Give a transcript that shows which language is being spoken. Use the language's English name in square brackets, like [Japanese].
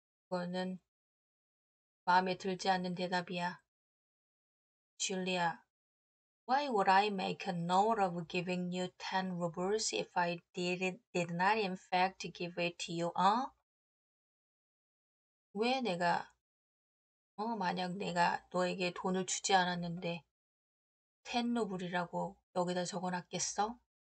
[Korean] 그거는 마음에 들지 않는 대답이야. [English] Julia, why would I make a note of giving you 10 rubles if I did not in fact give it to you, 어? [Korean] 왜 내가, 만약 내가 너에게 돈을 주지 않았는데 10루블이라고 여기다 적어놨겠어?